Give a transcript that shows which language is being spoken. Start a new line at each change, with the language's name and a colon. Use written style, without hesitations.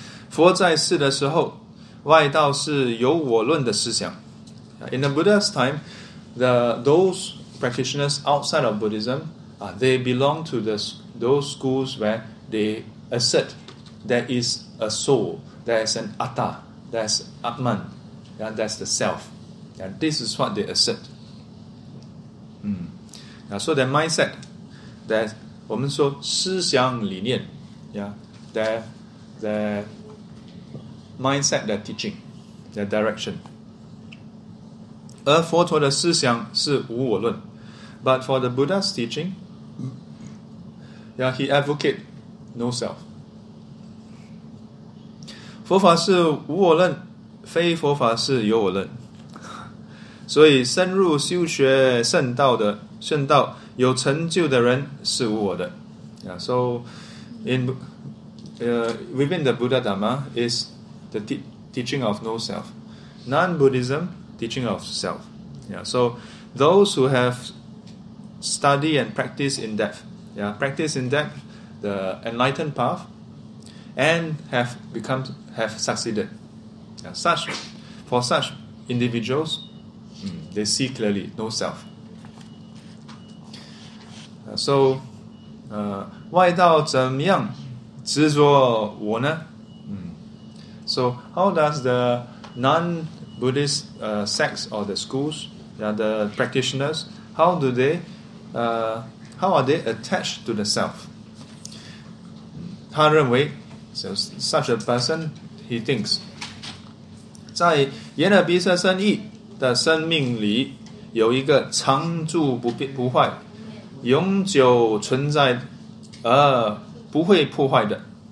Chinese: 佛在世的时候, 外道是有我论的思想.
English: In the Buddha's time, those practitioners outside of Buddhism, they belong to those schools where they assert there is a soul, there is an atta, there's atman, yeah, that's the self, and yeah, this is what they assert. So their mindset, that
Chinese: 我们说思想理念,
English: yeah, their mindset, their teaching, their direction.
Chinese: 而佛陀的思想是无我论,
English: but for the Buddha's teaching, yeah, he advocate no self.
Chinese: 佛法是无我论，非佛法是有我论。所以深入修学圣道的圣道有成就的人是无我的。
English: Yeah, so in within the Buddha Dhamma is the teaching of no self. Non-Buddhism, teaching of self. Yeah, so those who have study and practice in depth, yeah, practice in depth the enlightened path and have succeeded. Yeah, for such individuals, they see clearly no self. So,
Chinese: 外道怎么样执着我呢？
English: So how does the non-Buddhist sects or the schools, yeah, the practitioners, how are they attached to the self?
Chinese: 他认为
English: so such a person, he thinks,
Chinese: 在眼耳鼻舌身意的生命里有一个常住不变不坏、永久存在而不会破坏的。